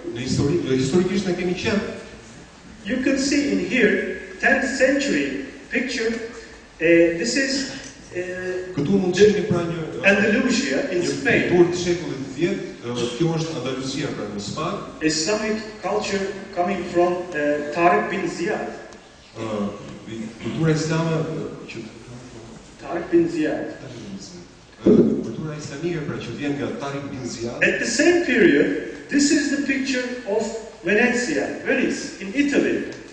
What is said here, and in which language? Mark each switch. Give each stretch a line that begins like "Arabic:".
Albanian: Në histori, historikisht ne kemi qenë.
English: You can see in here 10th century picture. This is Andalusia in Spain.
Albanian: Andalusia pra në Spanjë.
English: Islamic culture coming from Tariq bin Ziyad.
Albanian: Kultura islame që Tariq bin Ziyad. Kultura islamike pra që vjen nga Tariq bin Ziyad.
English: At the same period, this is the picture of Venezia, Venice in Italy.